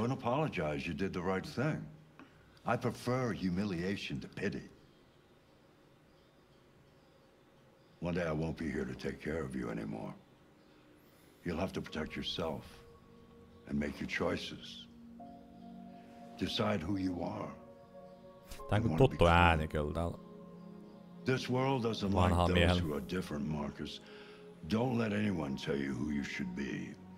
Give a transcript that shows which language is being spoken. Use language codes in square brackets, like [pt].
[en] Don't apologize. You did the right thing. I prefer humiliation to pity. One day I won't be here to take care of you anymore. You'll have to protect yourself and make your choices. Decide who you are. [fi] Tää on kun tuttu ääni kyllä täällä. [en] This world doesn't like those [fi] miehen. [en] Who are different, Marcus. Don't let anyone tell you who you should be.